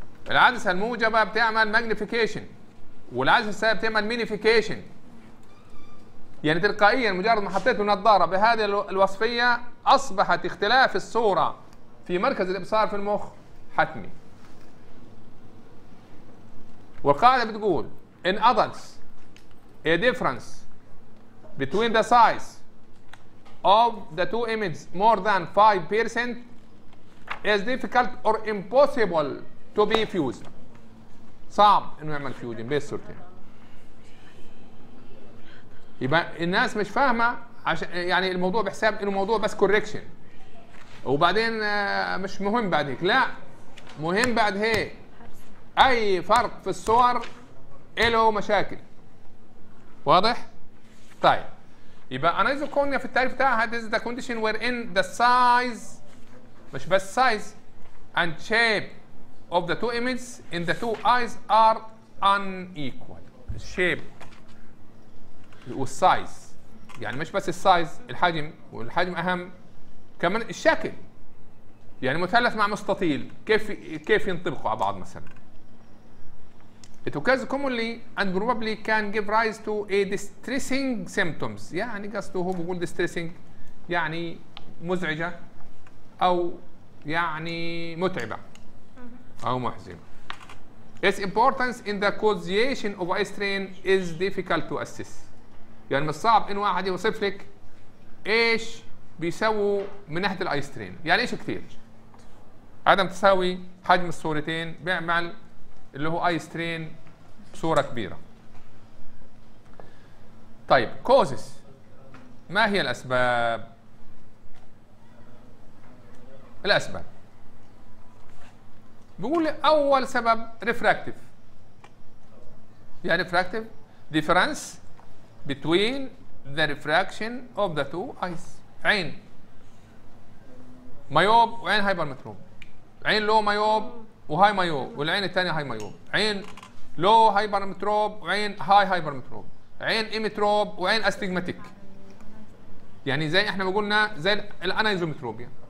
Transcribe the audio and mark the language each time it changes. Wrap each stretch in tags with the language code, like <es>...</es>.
<ar>العدسة الموجبة بتعمل ماجنيفيكيشن والعدسة السائلة بتعمل مينيفيكيشن. يعني تلقائيا مجرد ما حطيت النظارة بهذه الوصفية أصبحت اختلاف الصورة في مركز الإبصار في المخ حتمي. والقاعدة بتقول</ar> <en>in adults a difference between the size of the two images more than 5% is difficult or impossible to be fused.</en> <ar>صعب انه يعمل فيوجن بين الصورتين. يبقى الناس مش فاهمة، عشان يعني الموضوع بحساب انه موضوع بس</ar> <en>correction</en> <ar>وبعدين مش مهم بعد هيك. لا، مهم بعد هيك. اي فرق في الصور له مشاكل. واضح؟ طيب، يبقى أنيزوكونيا في التعريف بتاعها</ar> <en>this is the condition wherein the size،</en> <ar>مش بس</ar> <en>size and shape of the two images in the two eyes are unequal.</en> <ar>shape والsize، يعني مش بس السايز، الحجم، والحجم أهم كمان الشكل. يعني مثلث مع مستطيل كيف ينطبقوا على بعض مثلا.</ar> <en>It occurs commonly and probably can give rise to a distressing symptoms.</en> <ar>يعني قصده هو بيقول distressing يعني مزعجة أو يعني متعبة أو محزنة.</ar> <en>Its importance in the causation of eye strain is difficult to assess.</en> <ar>يعني مش صعب إن واحد يوصف لك إيش بيسووا من ناحية الأي سترين. يعني إيش كثير؟ عدم تساوي حجم الصورتين بيعمل اللي هو أي سترين صورة كبيرة. طيب causes، ما هي الأسباب؟ الأسباب بيقول لي أول سبب refractive، يعني</ar> <en>refractive difference between the refraction of the two eyes.</en> <ar>عين ميوب وعين هايبرمتروب. عين لو ميوب وهاي ميوب، والعين الثانية هاي ميوب. عين لو هايبرمتروب وعين هاي هايبرمتروب. عين إيميتروب وعين أستيغماتيك. يعني زي احنا ما قلنا زي الأنيزومتروبيا.</ar>